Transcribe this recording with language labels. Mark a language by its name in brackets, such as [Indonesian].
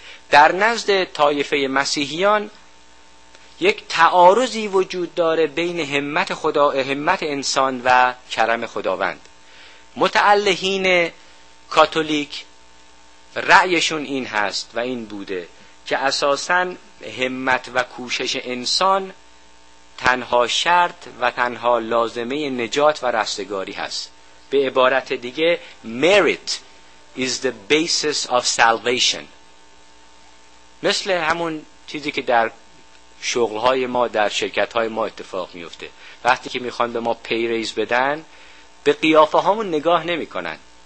[Persian] در نزد طایفه مسیحیان یک تعارضی وجود داره بین همت خدا، همت انسان و کرم خداوند. متعلهین کاتولیک رأیشون این هست و این بوده که اساساً همت و کوشش انسان تنها شرط و تنها لازمه نجات و رستگاری هست. به عبارت دیگه [English] merit is the basis of salvation. [Persian] مثل همون چیزی که در شغل‌های ما، در شرکت‌های ما اتفاق می‌افته. وقتی که می‌خوان به ما pay raise بدن، به قیافه‌هامون نگاه نمی‌کنن.